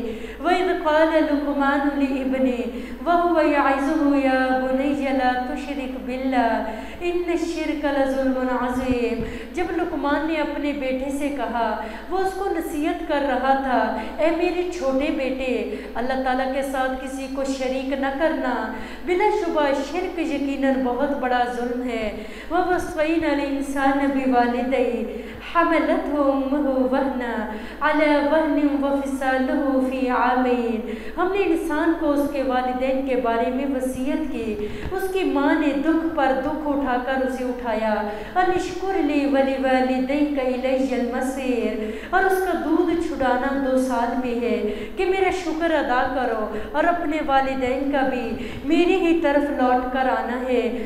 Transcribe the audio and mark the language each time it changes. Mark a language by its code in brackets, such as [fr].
[ar] وَإِذْ قَالَ لُقْمَانُ لِابْنِهِ وَهُوَ يَعِظُهُ يَا بُنَيَّ لَا تُشْرِكْ بِاللَّهِ إِنَّ الشِّرْكَ لَظُلْمٌ عَظِيمٌ. [ur] جب لقمان نے اپنے بیٹے سے کہا, وہ اس کو نصیحت کر رہا تھا, اے میرے چھوٹے بیٹے, اللہ تعالیٰ کے ساتھ کسی کو شریک نہ کرنا, بلا شبہ شرک یقیناً بہت بڑا ظلم ہے. [ar] وَوَصَّيْنَا الْإِنسَانَ بِوَالِدَيْهِ حملته امه وهنا على وهن وفصاله في عامين. [ur] ہم نے انسان کو اس کے والدین کے بارے میں وصیت کی, اس کی ماں نے دکھ پر دکھ اٹھا کر اسے اٹھایا. [ar] ان اشکر لی ولی والدیک الی المصیر. [ur] اور اس کا دودھ چھڑانا 2 سال میں ہے کہ میرا شکر ادا کرو, اور اپنے والدین کا بھی میری ہی طرف لوٹ کر آنا ہے.